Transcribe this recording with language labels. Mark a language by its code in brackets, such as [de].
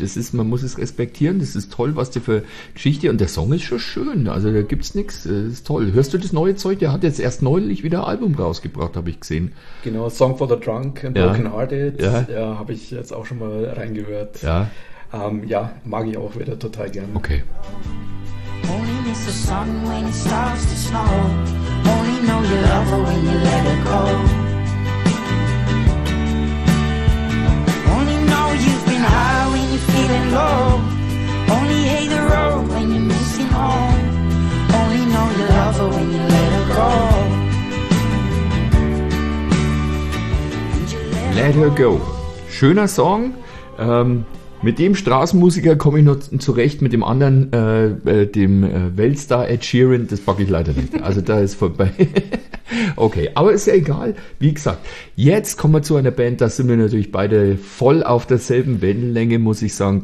[de] Das ist, man muss es respektieren. Das ist toll, was der für Geschichte. Und der Song ist schon schön. Also da gibt's nichts. Das ist toll. Hörst du das neue Zeug? Der hat jetzt erst neulich wieder ein Album rausgebracht, habe ich gesehen. Genau, Song for the Drunk and Broken Hearted. Ja. Ja, habe ich jetzt auch schon mal reingehört. Ja. Ja, mag ich auch wieder total gerne. Okay. [en] Only miss the sun when it starts to snow. Only know you love her when you let her go. Only know you've been high when you're feeling low. Only hate the road when you're missing home. Only know you love her when you let her go. Let her go. [de] Schöner Song. Mit dem Straßenmusiker komme ich noch zurecht, mit dem anderen, dem Weltstar Ed Sheeran, das packe ich leider nicht. Also da ist vorbei. Okay, aber ist ja egal. Wie gesagt, jetzt kommen wir zu einer Band, da sind wir natürlich beide voll auf derselben Wellenlänge, muss ich sagen.